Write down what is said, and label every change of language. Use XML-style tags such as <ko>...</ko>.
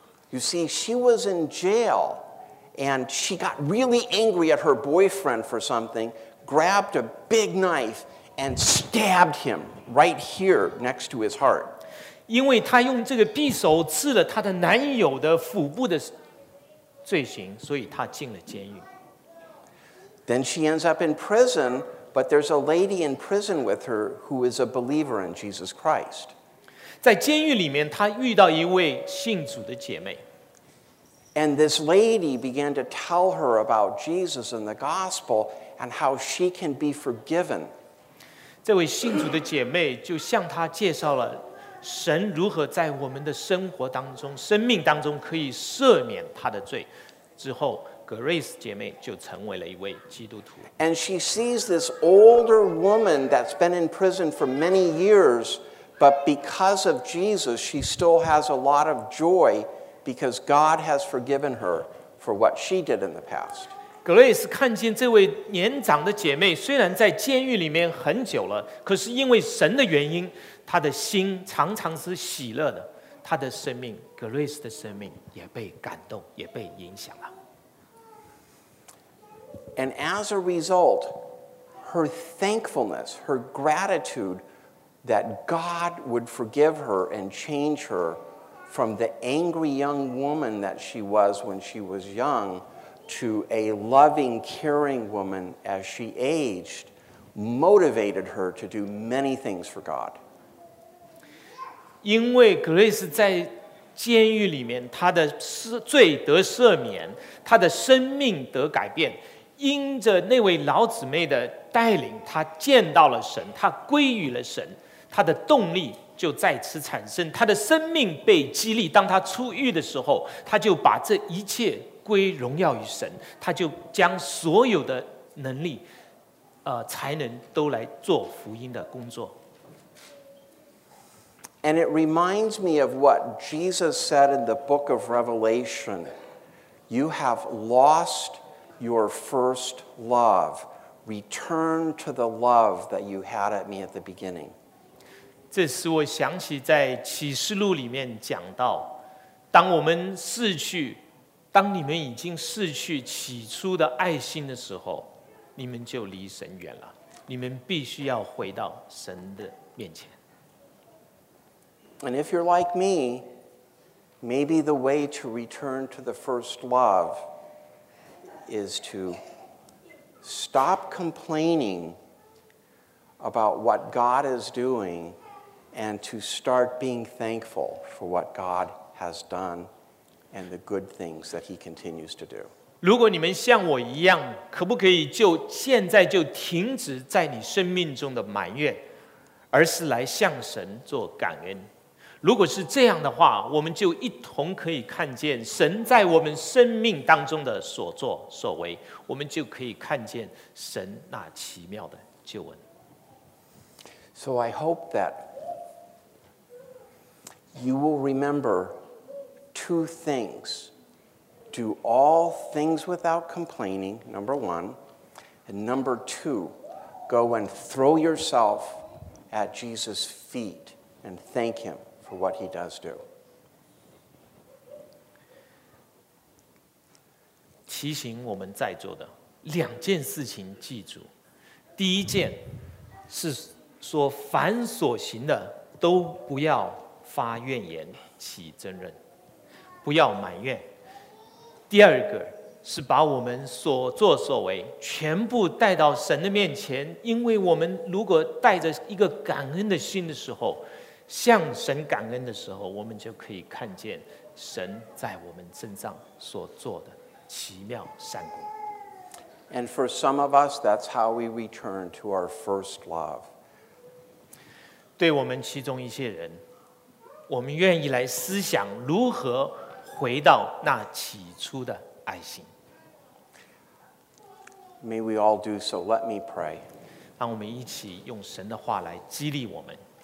<en>You see, she was in jail and she got really angry at her boyfriend for something, grabbed a big knife and stabbed him right here next to his heart.</en> <zh>因为她用这个匕首刺了她的男友的腹部的罪行，所以她进了监狱。</zh> <en>Then she ends up in prison, but there's a lady in prison with her who is a believer in Jesus Christ.</en> <zh>在监狱里面，她遇到一位信主的姐妹。</zh> <en>And this lady began to tell her about Jesus and the gospel and how she can be forgiven.</en> <zh>这位信主的姐妹就向她介绍了神如何在我们的生活当中、生命当中可以赦免他的罪，之后 ，Grace 姐妹就成为了一位基督徒。</zh> <en>And she sees this older woman that's been in prison for many years, but because of Jesus, she still has a lot of joy because God has forgiven her for what she did in the past.</en> <zh>Grace 看见这位年长的姐妹虽然在监狱里面很久了，可是因为神的原因。他的心常常是喜乐的，他的生命 ，Grace 的生命也被感动，也被影响了。</zh> <en>And as a result, her thankfulness, her gratitude that God would forgive her and change her from the angry young woman that she was when she was young to a loving, caring woman as she aged, motivated her to do many things for God.</en> <zh>因为 Grace 在监狱里面，她的罪得赦免，她的生命得改变。因着那位老姊妹的带领，她见到了神，她归于了神，她的动力就再次产生，她的生命被激励。当她出狱的时候，她就把这一切归荣耀于神，她就将所有的能力、才能都来做福音的工作。</zh> <en>And it reminds me of what Jesus said in the book of Revelation. You have lost your first love. Return to the love that you had at me at the beginning.</en> <zh>这使我想起在启示录里面讲到，当我们逝去，当你们已经逝去起初的爱心的时候，你们就离神远了。你们必须要回到神的面前。</zh> <en>And if you're like me, maybe the way to return to the first love is to stop complaining about what God is doing and to start being thankful for what God has done and the good things that He continues to do.</en> <zh>如果你们像我一样，可不可以就现在就停止在你生命中的埋怨，而是来向神做感恩？如果是这样的话，我们就一同可以看见神在我们生命当中的所作所为，我们就可以看见神那奇妙的救恩。</zh> <en>So I hope that you will remember two things. Do all things without complaining, number one. And number two, go and throw yourself at Jesus' feet and thank Him. What he does do.</en> <zh>提醒我们在座的两件事情记住，第一件是所凡所行的都不要发怨言起争论，不要埋怨。第二个是把我们所作所为全部带到神的面前，因为我们如果带着一个感恩的心的时候，向神感恩的时候，我们就可以看见神在我们身上所做的奇妙善功。</zh> <en>And for some of us, that's how we return to our first love.</en> <zh>对我们其中一些人，我们愿意来思想如何回到那起初的爱心。</zh> <en>May we all do so. Let me pray.</en> <zh>让我们一起用神的话来激励我们。</zh>